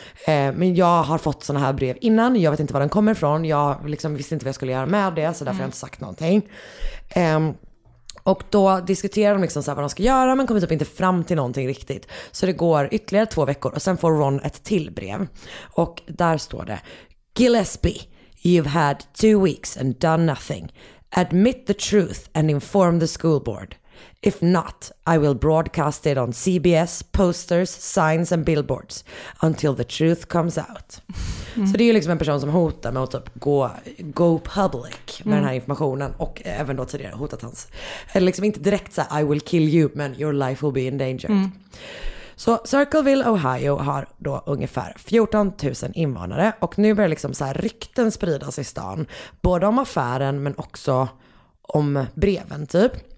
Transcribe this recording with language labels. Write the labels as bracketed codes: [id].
[sv] Men jag har fått såna här brev innan. Jag vet inte var den kommer ifrån. Jag liksom visste inte vad jag skulle göra med det, så därför har jag inte sagt någonting. Och då diskuterar de liksom så här vad de ska göra, men kommer typ inte fram till någonting riktigt. Så det går ytterligare två veckor och sen får Ron ett till brev. Och där står det: [en] Gillespie, you've had 2 weeks and done nothing. Admit the truth and inform the school board. If not, I will broadcast it on CBS, posters, signs and billboards until the truth comes out. Mm. [sv] Så det är ju liksom en person som hotar med att typ [en] go public [sv] med den här informationen och även då tidigare hotat hans. Eller liksom inte direkt så [en] I will kill you, [sv] men [en] your life will be endangered. Mm. [sv] Så Circleville, Ohio har då ungefär 14 000 invånare och nu börjar liksom så här rykten spridas i stan, både om affären men också om breven typ.